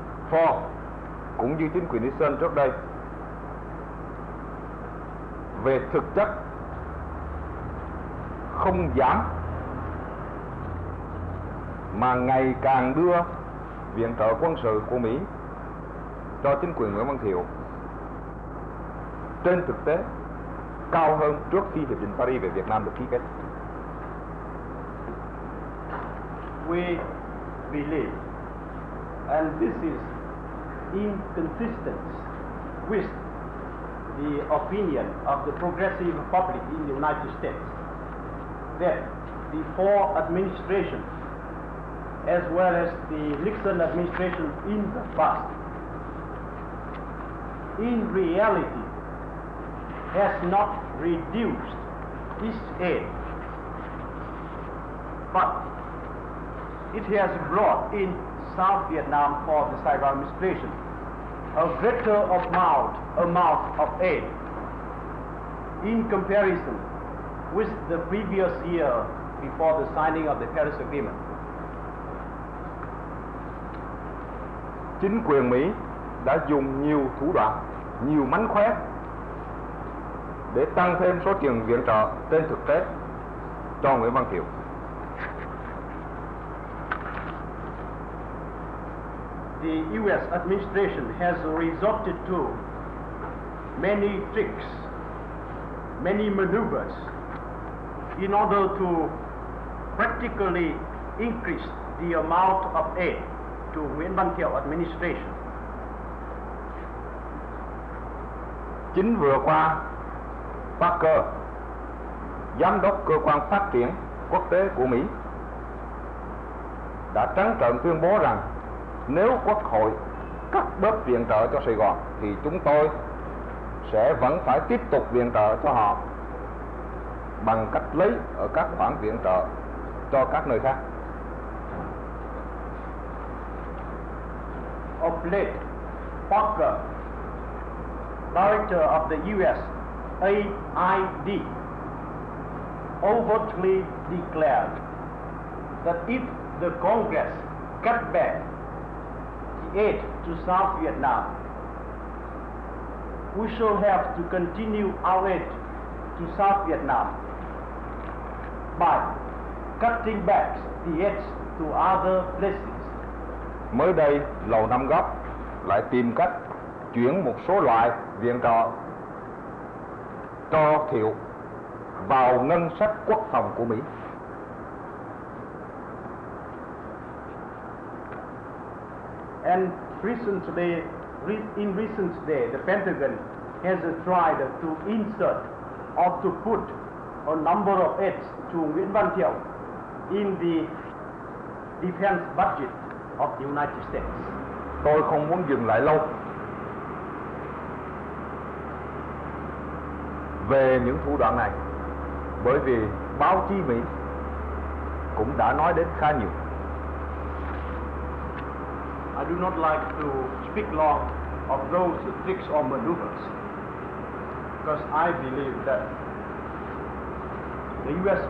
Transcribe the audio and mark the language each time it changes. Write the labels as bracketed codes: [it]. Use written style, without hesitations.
[vi] Ford cũng như chính quyền Nixon trước đây về thực chất không dám, mà ngày càng đưa viện trợ quân sự của Mỹ cho chính quyền Nguyễn Văn Thiệu trên thực tế cao hơn trước khi Hiệp định Paris về Việt Nam được ký kết. [en] We believe, and this is inconsistent with the opinion of the progressive public in the United States, that the four administrations, as well as the Nixon administration in the past, in reality has not reduced its aid, but it has brought in South Vietnam for the Saigon administration a greater amount of aid in comparison with the previous year before the signing of the Paris Agreement. [vi] Chính quyền Mỹ đã dùng nhiều thủ đoạn, nhiều mánh khóe để tăng thêm số tiền viện trợ trên thực tế cho Nguyễn Văn Thiệu. [en] the U.S. administration has resorted to many tricks, many maneuvers in order to practically increase the amount of aid to Nguyễn Văn Thiệu administration. [vi] Chính vừa qua, Parker, giám đốc cơ quan phát triển quốc tế của Mỹ, đã trắng trợn tuyên bố rằng nếu quốc hội cắt bớt viện trợ cho Sài Gòn thì chúng tôi sẽ vẫn phải tiếp tục viện trợ cho họ bằng cách lấy ở các khoản viện trợ cho các nơi khác. [en] Of late, Parker, director of the US AID, overtly declared that if the Congress cut back the aid to South Vietnam, we shall have to continue our aid to South Vietnam by cutting back the aid to other places. [vi] Mới đây, Lầu Năm Góc lại tìm cách chuyển một số loại viện trợ cho Thiệu vào ngân sách quốc phòng của Mỹ. [en] And recently, in recent days, the Pentagon has tried to insert or to put a number of aids to Nguyễn Văn Thiệu in the defense budget of the United States. [vi] Tôi không muốn dừng lại lâu về những thủ đoạn này, bởi vì báo chí Mỹ cũng đã nói đến khá nhiều. [en] I do not like to speak long of those tricks or maneuvers, because I believe that the U.S.